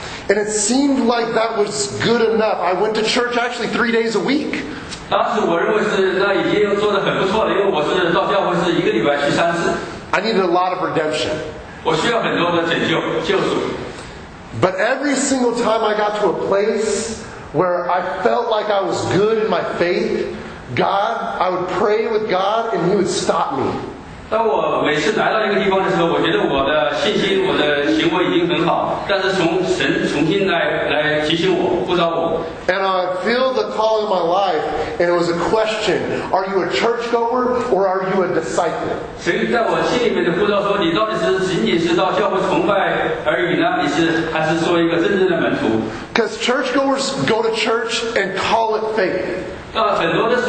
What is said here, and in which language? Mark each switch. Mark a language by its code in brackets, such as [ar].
[en] And it seemed like that was good enough. I went to church actually 3 days a week. [zh] 当时我认为是那已经做得很不错了，因为我是到教会是一个礼拜去三次。 [en] I needed a lot of redemption. [zh] 我需要很多的拯救，救赎。 [en] But every single time I got to a place where I felt like I was good in my faith, God, I would pray with God and He would stop me. [zh] 当我每次来到一个地方的时候，我觉得我的信心、我的行为已经很好，但是从神重新来提醒我、呼召我。 [en] And I feel the call in my life, and it was a question: Are you a churchgoer or are you a disciple? [zh] 神在我心里面的呼召说：你到底是仅仅是到教会崇拜而已呢？你是还是做一个真正的门徒？ [en] Because churchgoers go to church and call it faith.